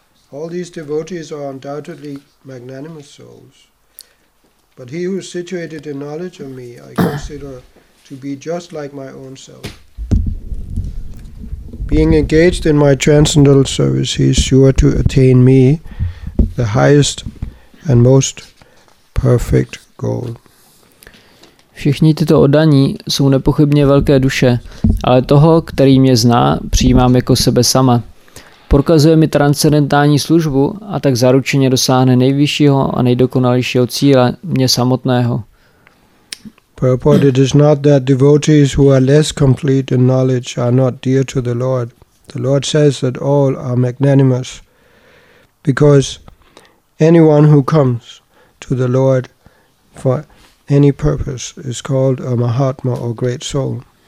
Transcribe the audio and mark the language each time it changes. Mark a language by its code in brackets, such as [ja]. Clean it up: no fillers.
[en] All these devotees are undoubtedly magnanimous souls, but he who is situated in knowledge of me, I consider to be just like my own self. Being engaged in my transcendental service, he is sure to attain me, the highest and most perfect goal. [cs] Všichni tyto oddaní jsou nepochybně velké duše, ale toho, který mě zná, přijímám jako sebe sama. Prokazuje mi transcendentální službu a tak zaručeně dosáhne nejvyššího a nejdokonalějšího cíle mě samotného. [en] Purport, it is not that devotees who are less complete in knowledge are not dear to the Lord. The Lord says that all are magnanimous, because anyone who comes to the Lord for any purpose is called a Mahatma or great soul.